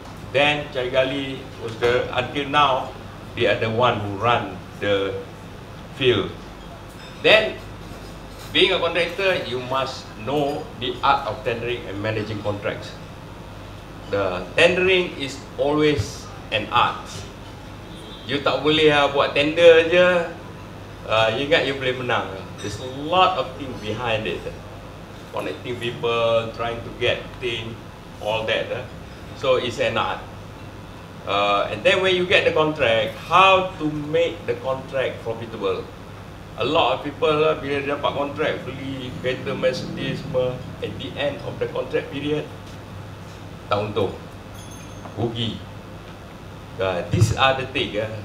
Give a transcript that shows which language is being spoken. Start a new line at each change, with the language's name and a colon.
English: Then Cari Gali was the, until now, they are the one who run the field. Then, being a contractor, you must know the art of tendering and managing contracts. The tendering is always an art.
Malay: You tak boleh buat tender je, you ingat you boleh menang.
English: There's a lot of things behind it. Connecting people, trying to get things, all that. So it's an art. And then when you get the contract, how to make the contract profitable? A lot of people
Malay: bila dia dapat kontrak beli kereta Mercedes semua,
English: at the end of the contract period,
Malay: tak untung, rugi.
English: These are the thing.